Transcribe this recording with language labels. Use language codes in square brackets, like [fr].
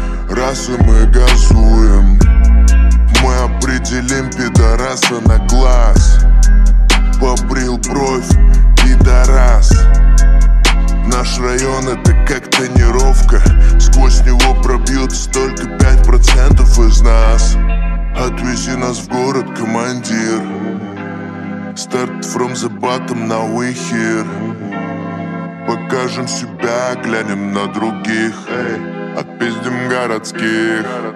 [ru] Раз и мы газуем, мы определим пидораса на глаз. Побрил бровь, пидорас. Наш район это как тонировка, сквозь него пробьется только 5% из нас. Отвези нас в город, командир. [en] Start from the bottom, now we here. [ru] Покажем себя, глянем на других. Отпиздим городских.